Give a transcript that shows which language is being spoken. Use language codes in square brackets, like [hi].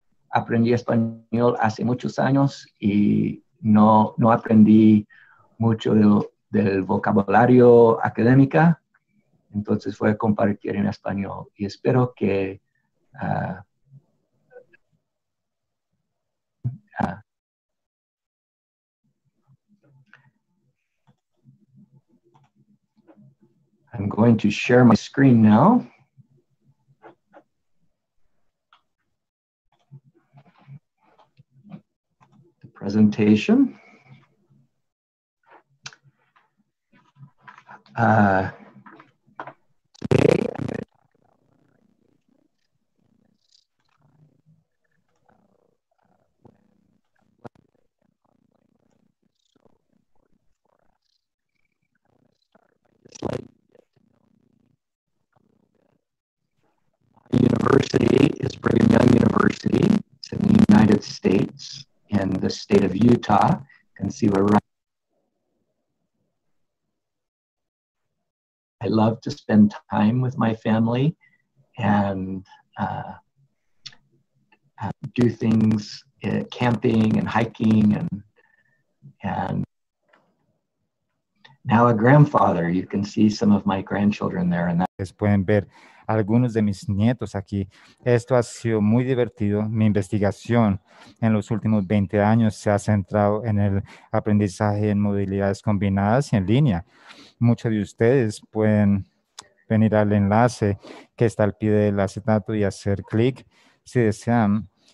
[es] aprendí español hace muchos años y no aprendí mucho del vocabulario académica, entonces voy a compartir en español y espero que [en] I'm going to share my screen now. Presentation. Today I'm going to talk about when blended and online learning is so important for us. I want to start by just letting you get to know me a little bit. My university is Brigham Young University. It's in the United States. In the state of Utah, you can see where I love to spend time with my family and do things, camping and hiking and Now a grandfather, you can see some of my grandchildren there. And that [es] pueden ver algunos de mis nietos aquí. Esto ha sido muy divertido. Mi investigación en los últimos 20 años se ha centrado en el aprendizaje en modalidades combinadas y en línea. Muchos de ustedes pueden venir al enlace que está al pie del acetato y hacer clic si desean.